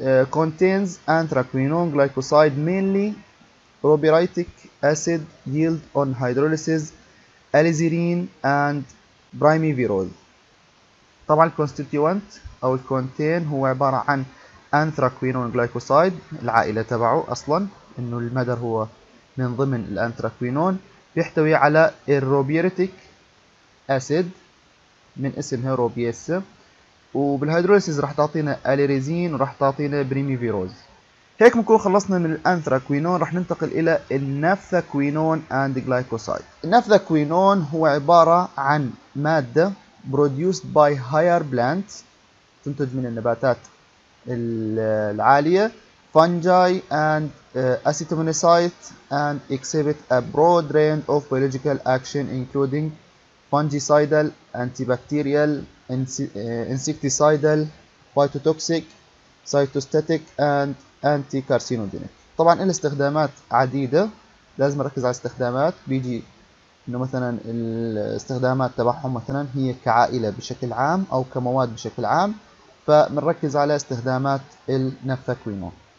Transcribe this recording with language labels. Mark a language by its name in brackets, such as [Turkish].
[English] contains anthraquinone glycoside mainly ruberythric acid yield on hydrolysis alizarin and primeviral. [Arabic] طبعا الكونستيتيوانت أو الكونتين هو عبارة عن anthraquinone glycoside، العائلة تبعه أصلا إنه المدر هو من ضمن الأنثراكوينون، بيحتوي على الروبيريتيك أسيد من اسمها روبيس، وبالهيدروليسيز راح تعطينا أليريزين وراح تعطينا بريميفيروز. هيك بنكون خلصنا من الأنثراكوينون، راح ننتقل إلى النافثاكوينون أند جلايكوسايد. النافثاكوينون هو عبارة عن مادة [English] produced by higher plants، [Arabic] تنتج من النباتات العالية، [English] fungi and acetaminocyte and exhibit a broad range of biological action including fungicidal, antibacterial, insecticidal, phytotoxic, cytostatic and anti-carcinogenic. [Arabic] طبعا إلها استخدامات عديدة، لازم أركز على استخدامات. بيجي إنه مثلا الاستخدامات تبعهم مثلا هي كعائلة بشكل عام أو كمواد بشكل عام، فمنركز على استخدامات النفاكوينون.